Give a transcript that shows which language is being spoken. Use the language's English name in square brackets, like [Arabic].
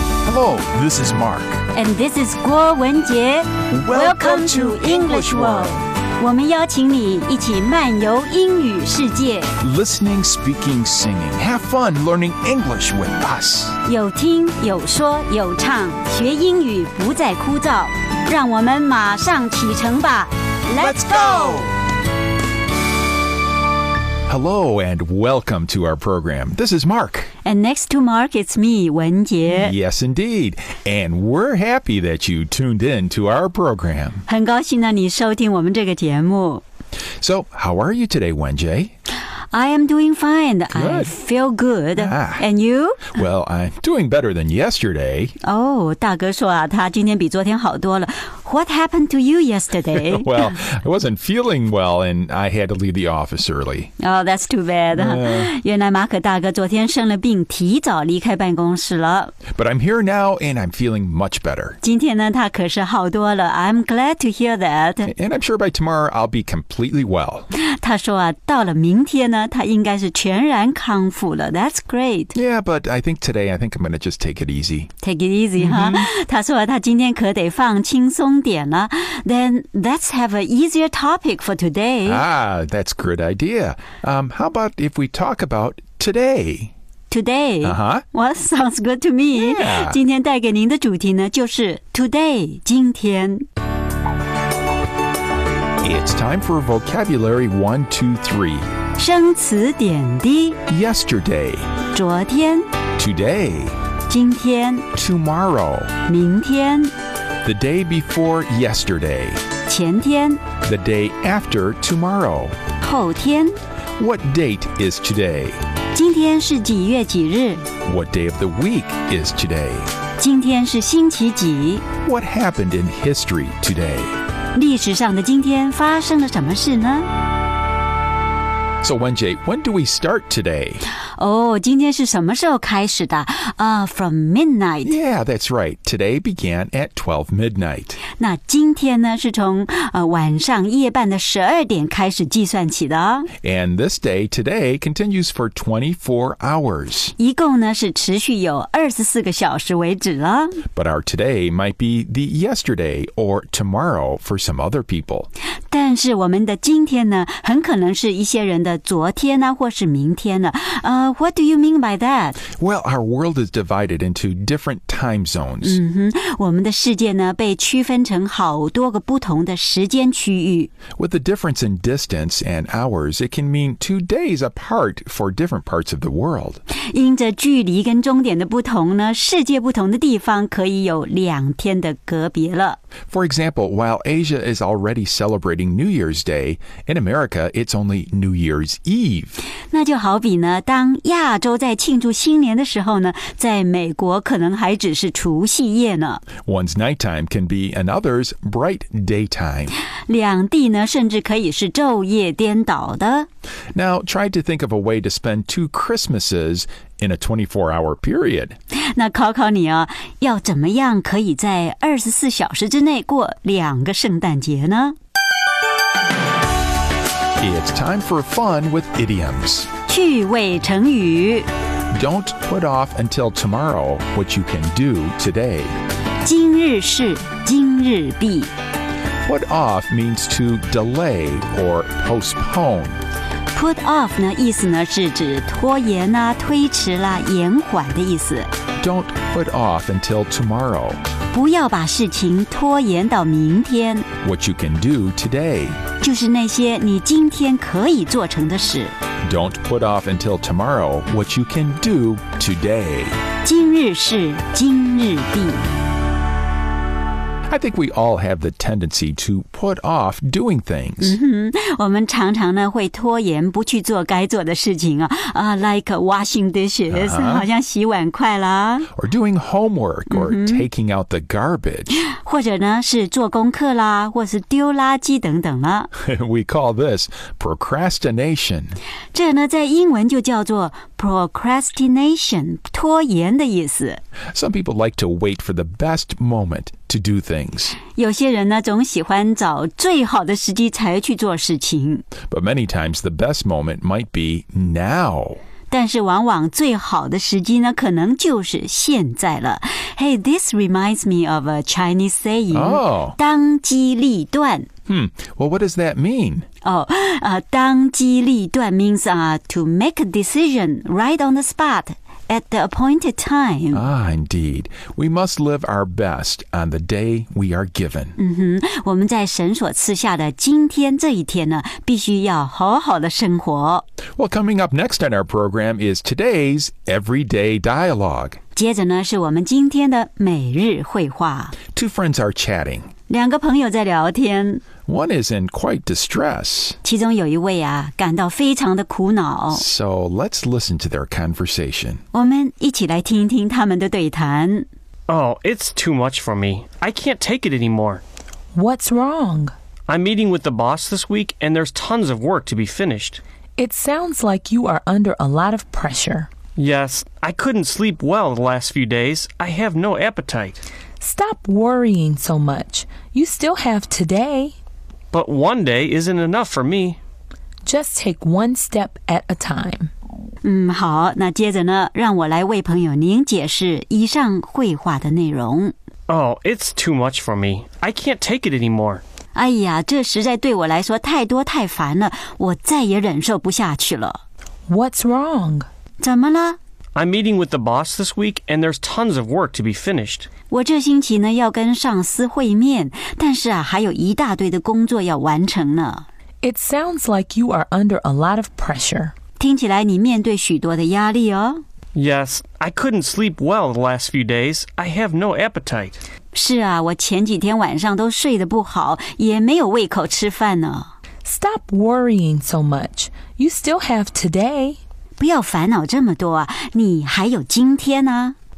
[English] Hello, this is Mark. And this is Guo Wenjie. Welcome to English World. [Chinese] 我们邀请你一起漫游英语世界。 [English] Listening, speaking, singing. Have fun learning English with us. [Chinese] 有听有说有唱，学英语不再枯燥。让我们马上启程吧。 [English] Let's go! Hello and welcome to our program. This is Mark. And next to Mark, it's me, Wenjie. Yes, indeed. And we're happy that you tuned in to our program. 很高兴让你收听我们这个节目。 So, how are you today, Wenjie? I am doing fine. Good. I feel good. Ah. And you? Well, I'm doing better than yesterday. [Chinese] Oh, 大哥说啊，他今天比昨天好多了。 [English] What happened to you yesterday? Well, I wasn't feeling well, and I had to leave the office early. Oh, that's too bad. [Chinese] 原来马可大哥昨天生了病，提早离开办公室了。 [English] But I'm here now, and I'm feeling much better. [Chinese] 今天呢，他可是好多了。 [English] I'm glad to hear that. And I'm sure by tomorrow, I'll be completely well. [Chinese] 他说啊，到了明天呢，他应该是全然康复了。 [English] That's great. Yeah, but I think I'm going to just take it easy. Take it easy, huh? Mm-hmm. 他说啊，他今天可得放轻松。 Then let's have an easier topic for today. Ah, that's a good idea. How about if we talk about today? Today? Uh-huh. Well, sounds good to me. Yeah. [Chinese] 今天带给您的主题呢就是 today, 今天。 [English] It's time for vocabulary 1, 2, 3. [Chinese] 生词点滴。 [English] Yesterday. [Chinese] 昨天。 [English] Today. [Chinese] 今天。 [English] Tomorrow. [Chinese] 明天。 [English] The day before yesterday. [Chinese] 前天。 [English] The day after tomorrow. [Chinese] 后天。 [English] What date is today? [Chinese] 今天是几月几日。 [English] What day of the week is today? [Chinese] 今天是星期几。 [English] What happened in history today? [Chinese] 历史上的今天发生了什么事呢？ [English] So, Wenjie, when do we start today? [Chinese] Oh, 今天是什么时候开始的？ [English] From midnight. Yeah, that's right. Today began at 12 midnight. [Chinese] 那今天呢，是从晚上夜半的12点开始计算起的。 [English] And this day, today, continues for 24 hours. [Chinese] 一共呢，是持续有24个小时为止了。 [English] But our today might be the yesterday or tomorrow for some other people. [Chinese] 但是我们的今天呢，很可能是一些人的昨天呢，或是明天呢。 [English] What do you mean by that? Well, our world is divided into different time zones. [Chinese] 嗯哼，我们的世界呢，被区分成好多个不同的时间区域。 [English] With the difference in distance and hours, it can mean 2 days apart for different parts of the world. [Chinese] 因着距离跟终点的不同呢，世界不同的地方可以有两天的隔别了。 [English] For example, while Asia is already celebrating New Year's Day, in America, it's only New Year's Eve. [Chinese] 那就好比呢，当亚洲在庆祝新年的时候呢，在美国可能还只是除夕夜呢。 [English] One's nighttime can be another's bright daytime. [Chinese] 两地呢，甚至可以是昼夜颠倒的。 [English] Now, try to think of a way to spend 2 Christmases in a 24-hour period. [Chinese] 那考考你啊，要怎么样可以在24小时之内过两个圣诞节呢？ [English] It's time for fun with idioms. [Chinese] 趣味成语。 [English] Don't put off until tomorrow what you can do today. [Chinese] 今日事今日毕。 [English] Put off means to delay or postpone. [Chinese] Put off 呢，意思呢是指拖延啦、推迟啦、延缓的意思。 [English] Don't put off until tomorrow. [Chinese] 不要把事情拖延到明天。 [English] What you can do today. [Chinese] 就是那些你今天可以做成的事。 [English] Don't put off until tomorrow what you can do today. [Chinese] 今日事今日毕。 [English] I think we all have the tendency to put off doing things. Mm-hmm. [Chinese] 我们常常呢会拖延不去做该做的事情啊。 [English] Like washing dishes, [Chinese] 好像洗碗筷啦。 [English] Or doing homework, or taking out the garbage. [Chinese] 或者呢是做功课啦或是丢垃圾等等啦。 [English] We call this procrastination. [Chinese] 这呢在英文就叫做 procrastination, 拖延的意思。 [English] Some people like to wait for the best moment to do things. [Chinese] 有些人呢总喜欢找最好的时机才去做事情。 [English] But many times the best moment might be now. [Chinese] 但是往往最好的时机呢可能就是现在了。 [English] Hey, this reminds me of a Chinese saying,、 oh. [Chinese] 当机立断。 [English] Well, what does that mean? Oh, 当机立断 means to make a decision right on the spot at the appointed time. Ah, indeed. We must live our best on the day we are given. [Chinese] 嗯哼，我们在神所赐下的今天这一天呢必须要好好的生活。 [English] Well, coming up next on our program is today's Everyday Dialogue. [Chinese] 接着呢是我们今天的每日会话。 [English] Two friends are chatting. [Chinese] 两个朋友在聊天。 [English] One is in quite distress. [Chinese] 其中有一位啊，感到非常的苦恼。 [English] So let's listen to their conversation. [Chinese] 我们一起来听一听他们的对谈。 [English] Oh, it's too much for me. I can't take it anymore. What's wrong? I'm meeting with the boss this week, and there's tons of work to be finished. It sounds like you are under a lot of pressure. Yes, I couldn't sleep well the last few days. I have no appetite. Stop worrying so much. You still have today. But one day isn't enough for me. Just take one step at a time. [Chinese] 好，那接着呢，让我来为朋友您解释以上会话的内容。 [English] Oh, it's too much for me. I can't take it anymore. [Chinese] 哎呀，这实在对我来说太多太烦了，我再也忍受不下去了。 [English] What's wrong? [Chinese] 怎么了？ [English] I'm meeting with the boss this week, and there's tons of work to be finished. [Chinese] 我这星期呢要跟上司会面，但是啊还有一大堆的工作要完成呢。 [English] It sounds like you are under a lot of pressure. [Chinese] 听起来你面对许多的压力哦。 [English] Yes, I couldn't sleep well the last few days. I have no appetite. [Chinese] 是啊，我前几天晚上都睡得不好，也没有胃口吃饭呢。 [English] Stop worrying so much. You still have today. [Chinese] 不要烦恼这么多啊，你还有今天啊。